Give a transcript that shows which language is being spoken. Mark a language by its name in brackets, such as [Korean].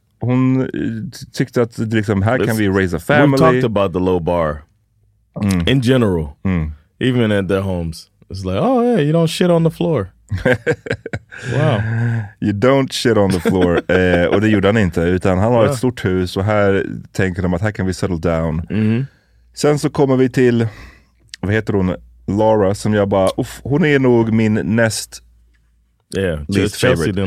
[Swedish] Hon tyckte att liksom, här kan vi [English] raise a family. We've talked about the low bar. Mm. In general. Mm. Even at their homes. It's like, oh yeah, you don't shit on the floor. Wow. You don't shit on the floor. [Swedish] Och det gjorde han inte, utan han har ett stort hus och här tänker de att här kan vi [English] settle down. [Swedish] Sen så kommer vi till, vad heter hon, Laura, som jag bara, uff, hon är nog min näst [English] least Chelsea favorite.